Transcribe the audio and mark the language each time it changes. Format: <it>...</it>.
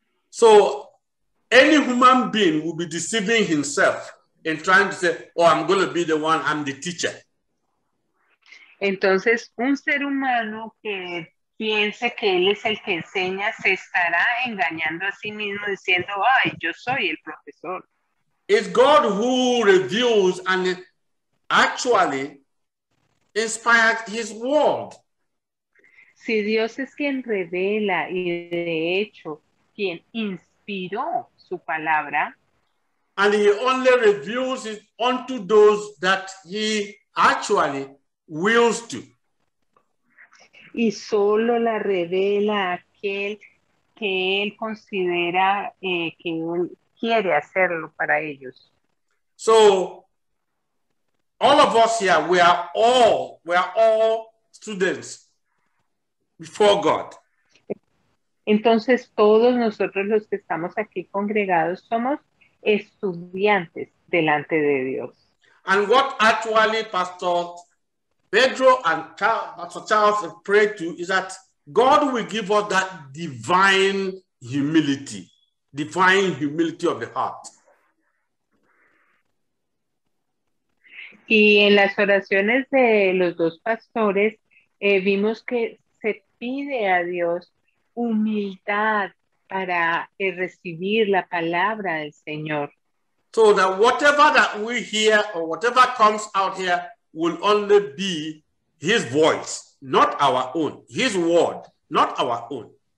<en>So, any human being will be deceiving himself in trying to say, oh, I'm going to be the one, I'm the teacher.</en> <es>Entonces, un ser humano que piense que él es el que enseña se estará engañando a sí mismo diciendo, ay, yo soy el profesor.</es> <en>It's God who reveals and actually inspired his word.</en> <es>Si Dios es quien revela y de hecho quien inspiró su palabra.</es> <en>And he only reveals it unto those that he actually wills to.</en> <es>Y solo la revela aquel que él considera que él quiere hacerlo para ellos.</es> <en>So, all of us here, we are all students before God.</en> <es>Entonces, todos nosotros los que estamos aquí congregados somos estudiantes delante de Dios.</es> <en>And what actually, Pastor Pedro and Pastor Charles prayed to is that God will give us that divine humility, divine humility of the heart.</en> <es>Y en las oraciones de los dos pastores vimos que se pide a Dios humildad para recibir la palabra del Señor.</es> <en>So that whatever that we hear or whatever comes out here will only be his voice, not our own, his word, not our own.</en>